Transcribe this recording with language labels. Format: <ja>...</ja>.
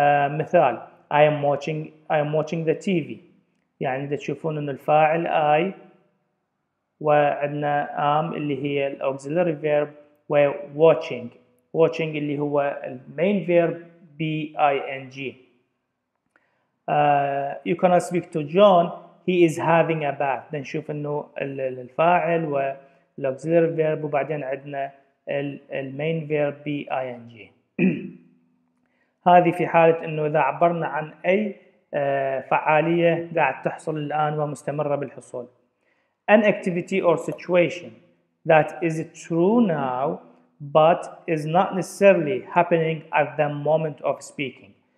<ar>مثال</ar> <en>I am watching the TV،</en> <ar>يعني إذا تشوفون أن الفاعل I، وعندنا am اللي هي الـ auxiliary verb، و watching اللي هو الـ main verb B-I-N-G.</ar> <en>You cannot speak to John، he is having a bath.</en> <ar>then نشوف انه الفاعل والauxiliary verb، وبعدين عندنا المين فيرب B-I-N-G. هذه في حالة انه اذا عبرنا عن اي فعالية قاعد تحصل الان ومستمرة بالحصول.</ar> <en>an activity or situation that is true now but is not necessarily happening at the moment of speaking.</en>